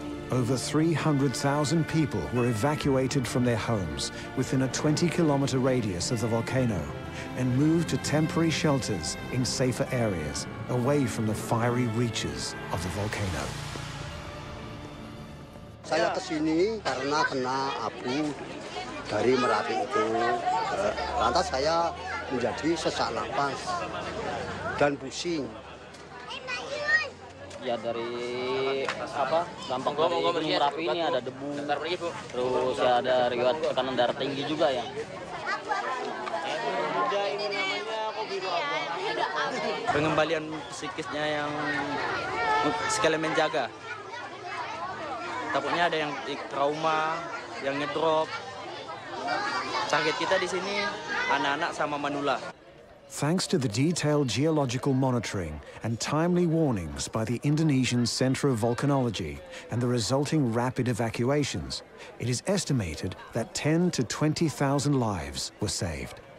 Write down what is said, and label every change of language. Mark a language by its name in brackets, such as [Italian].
[English] Over 300,000 people were evacuated from their homes within a 20-kilometer radius of the volcano and moved to temporary shelters in safer areas away from the fiery reaches of the volcano. [Indonesian] Saya kesini karena kena abu dari Merapi itu. Lantas saya menjadi sesak napas dan pusing. Ya dari apa dampak dari gunung Merapi ini ada debu, terus ya ada riwayat tekanan darah tinggi juga ya. Pengembalian psikisnya yang sekalian menjaga, takutnya ada yang trauma, yang ngedrop. Target kita di sini anak-anak sama manula. [English] Thanks to the detailed geological monitoring and timely warnings by the Indonesian Center of Volcanology and the resulting rapid evacuations, it is estimated that 10 to 20,000 lives were saved.